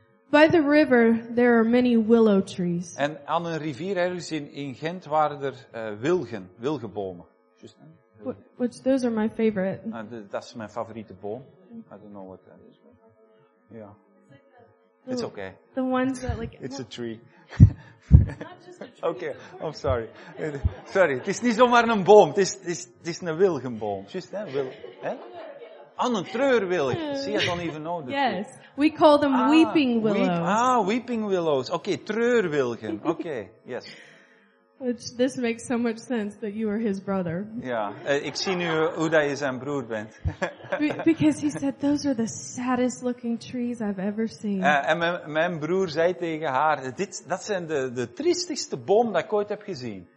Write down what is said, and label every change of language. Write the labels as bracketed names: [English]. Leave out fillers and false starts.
[English] By the river there are many willow trees. [Dutch] En aan een rivier ergens in Gent waren er wilgenbomen. [English] Just, which those are my favorite. [Dutch] Dat is mijn favoriete boom. [English] I don't know what that is. Yeah. It's okay. The ones that like it's a tree. Okay, I'm sorry. [Dutch] Sorry, het is niet zomaar een boom. Het is een wilgenboom. Just, aan een treurwillig. [English] See, I don't even know the tree. Yes. We call them weeping willows. Weeping willows. Okay, treurwilgen. Okay, yes. This makes so much sense that you are his brother. [Dutch] Ja, ik zie nu hoe dat je zijn broer bent. [English] Because he said those are the saddest looking trees I've ever seen. [Dutch] En mijn broer zei tegen haar, dat zijn de triestigste bomen dat ik ooit heb gezien.